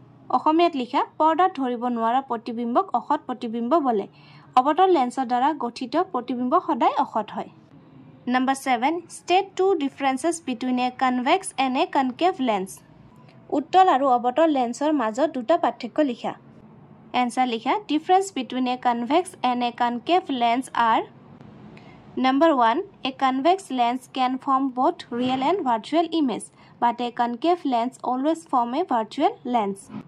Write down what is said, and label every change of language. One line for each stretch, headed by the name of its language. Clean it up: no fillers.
Assamese: অসমীয়াত লিখা পর্দাত ধৰিব নোৱাৰা প্ৰতিবিম্বক অখত প্ৰতিবিম্ব বলে। অবতল লেন্সৰ দ্বাৰা গঠিত প্ৰতিবিম্ব সদায় অখত হয়।
English: Number 7. State two differences between a convex and a concave lens.
Assamese: উত্তল আৰু অবতল লেন্সৰ মাজত দুটা পার্থক্য লিখা আনসার লিখা
English: difference between a convex and a concave lens আর number 1 a convex lens can form both real and virtual image but a concave lens always form a virtual lens